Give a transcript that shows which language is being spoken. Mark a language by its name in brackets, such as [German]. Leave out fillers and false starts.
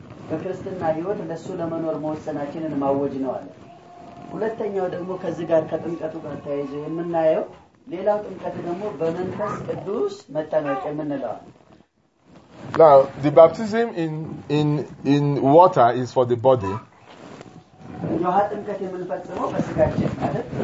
[Amharic] በክርስትና ህይወት ለሱ ለመኖር መወሰናችንን ማወጅ ነው አለ። ሁለተኛው ደግሞ ከዚህ ጋር ከጥንቀቱ ጋር ተያይዞ የምናየው ሌላው ጥንቀት ደግሞ በመንፈስ ቅዱስ መጠመቅ የምንለው። [English] Now the baptism in water is for the body. [Amharic] የውሃ ጥምቀት የምንፈጽመው በስጋችን አይደል?